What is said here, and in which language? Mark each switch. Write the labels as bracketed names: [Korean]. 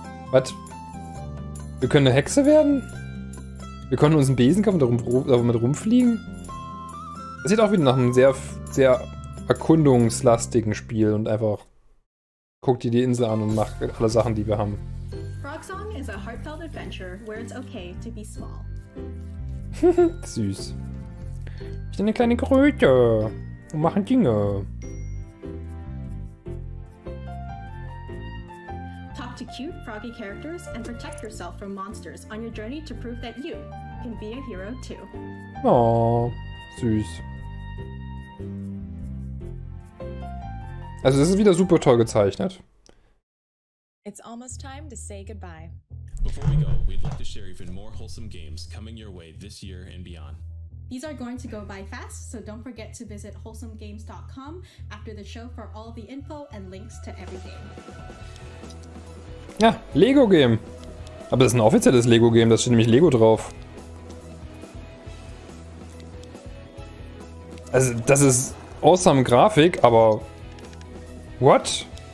[German] Was? Wir können eine Hexe werden? Wir können uns einen Besen kaufen und damit rumfliegen? Das sieht auch wieder nach einem sehr, sehr erkundungslastigen Spiel und einfach guck dir die Insel an und mach alle Sachen, die wir haben. [English] Frog Song is a heartfelt adventure where it's okay to be small. [German] Süß. Ich bin eine kleine Kröte und machen Dinge. [English] Talk to cute froggy characters and protect yourself from monsters on your journey to prove that you can be a hero too. [German] Oh, süß. Also, das ist wieder super toll gezeichnet. [English] It's almost time to say goodbye. Before we go, we'd like to share even more wholesome games coming your way this year and beyond. These are going to go by fast, so don't forget to visit wholesomegames.com after the show for all the info and links to every game. [German] Ja, Lego Game. Aber das ist ein offizielles Lego Game, da steht nämlich Lego drauf. Also, das ist awesome Grafik, aber... What?